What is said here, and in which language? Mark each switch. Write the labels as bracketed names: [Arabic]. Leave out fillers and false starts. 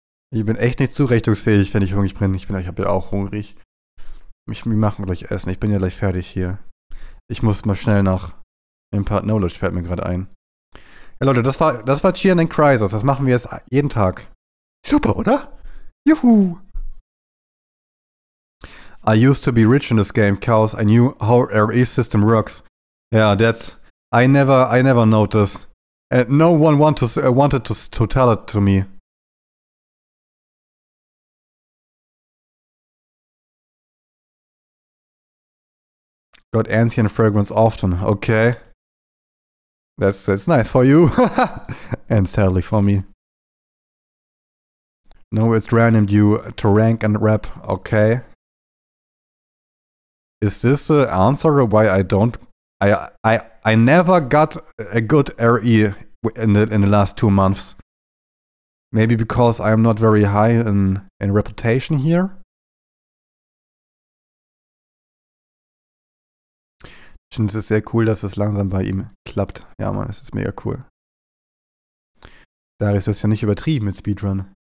[German] Ich bin echt nicht zurechnungsfähig, wenn ich hungrig bin. Ich bin ja auch hungrig. Wir machen gleich Essen. Ich bin ja gleich fertig hier. Ich muss mal schnell nach Impart Knowledge, fällt mir gerade ein. Ja, Leute, das war Cheer in Crisis. Das machen wir jetzt jeden Tag. Super, oder? Juhu. [English] I used to be rich in this game, cause I knew how RE system works. Yeah, that's... I never noticed. And no one wanted to tell it to me. Got ancient fragrance often, okay. That's nice for you. And sadly for me. No, it's random due to rank and rep, okay. Is this the answer why I don't... I never got a good RE in the last 2 months. Maybe because I'm not very high in reputation here? [German] Ich finde es sehr cool, dass es langsam bei ihm klappt. Ja, Mann, es ist mega cool. Darius, du hast ja nicht übertrieben mit Speedrun.